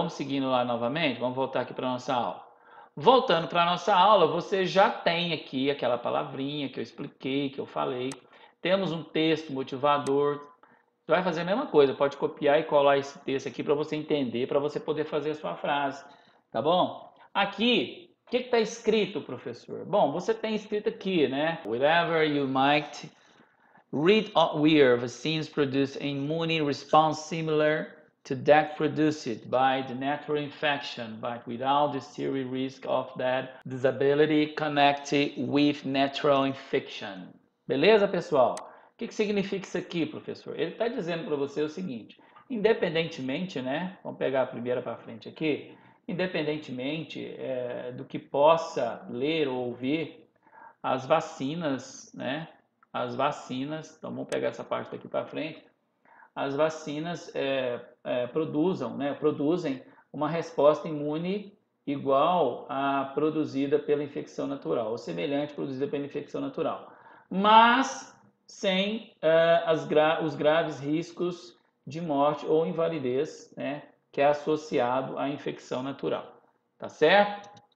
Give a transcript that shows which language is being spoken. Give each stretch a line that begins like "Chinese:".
Portuguese: Vamos seguindo lá novamente, vamos voltar aqui para nossa aula. Voltando para a nossa aula, você já tem aqui aquela palavrinha que eu expliquei, que eu falei. Temos um texto motivador. Você vai fazer a mesma coisa, pode copiar e colar esse texto aqui para você entender, para você poder fazer a sua frase, tá bom? Aqui, o que que está escrito, professor? Bom, você tem escrito aqui, né?
English: Whatever you might read or hear, vaccines produce immune response similar to that produced by the natural infection, but without the serious risk of that disability connected with natural infection.
Portuguese: Beleza, pessoal? O que que significa isso aqui, professor? Ele está dizendo para você o seguinte: independentemente, né? Vamos pegar a primeira para frente aqui. Independentemente do que possa ler ou ouvir, as vacinas, né? as vacinas, então vamos pegar essa parte daqui para frente, as vacinas produzam, né, produzem uma resposta imune igual à produzida pela infecção natural, ou semelhante produzida pela infecção natural, mas sem os graves riscos de morte ou invalidez, né, que é associado à infecção natural. Tá certo?